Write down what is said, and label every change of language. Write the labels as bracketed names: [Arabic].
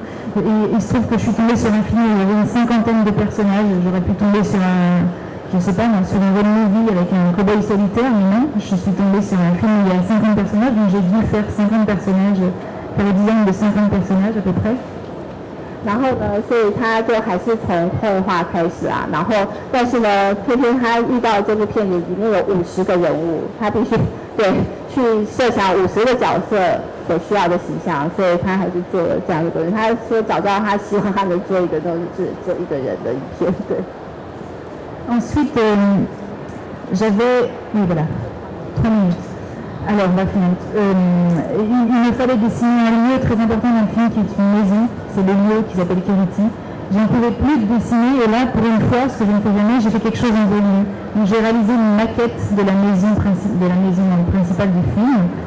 [French] Et il se trouve que je suis tombée sur un film où il y avait une cinquantaine de personnages. J'aurais pu tomber sur un je ne sais pas, moi, sur une bonne movie avec un cow-boy solitaire, mais non, je suis tombée sur un film où il y a 50 personnages, donc j'ai dû faire 50 personnages, faire le design de 50 personnages à peu près. [Chinese] 然后呢，所以他就还是从绘画开始啊。然后，但是呢，偏偏他遇到这个片子里面有50个人物，他必须对去设想50个角色所需要的形象，所以他还是做了这样一个东西。他说找到他喜欢的做一个东西，只有一个人的影片。对。 [French] Ensuite, j'avais voilà, 3 minutes. Alors, la fenêtre. Il me fallait dessiner un lieu très important dans le film qui est une maison. C'est le lieu qui s'appelle Kériti. Je ne pouvais plus dessiner et là, pour une fois, ce que je ne fais jamais, j'ai fait quelque chose en volume. Donc j'ai réalisé une maquette de la maison, principale du film.